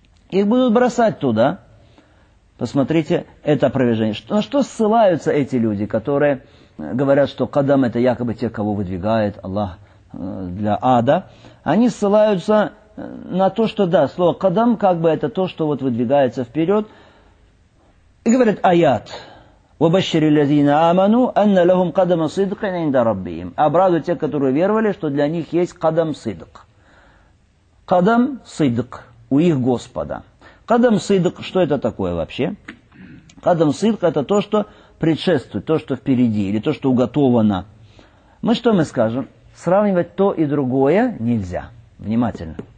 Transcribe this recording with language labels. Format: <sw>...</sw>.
<ru>Их будут бросать туда. Посмотрите, это опровержение. На что ссылаются эти люди, которые говорят, что кадам это якобы те, кого выдвигает Аллах для ада? Они ссылаются на то, что да, слово кадам как бы это то, что вот выдвигается вперед. И говорят аят.</ru> <ar>وَبَشِّرِ الَّذِينَ آمَنُوا أَنَّ لَهُمْ قَدَمَ صِدْقٍ عِنْدَ رَبِّهِمْ</ar> <ru>Обрадуют те, которые веровали, что для них есть قَدَمْ صِدْق. قَدَمْ صِدْق у их Господа. قَدَمْ صِدْق, что это такое вообще? قَدَمْ صِدْق это то, что предшествует, то, что впереди, или то, что уготовано. Мы что мы скажем? Сравнивать то и другое нельзя. Внимательно.</ru>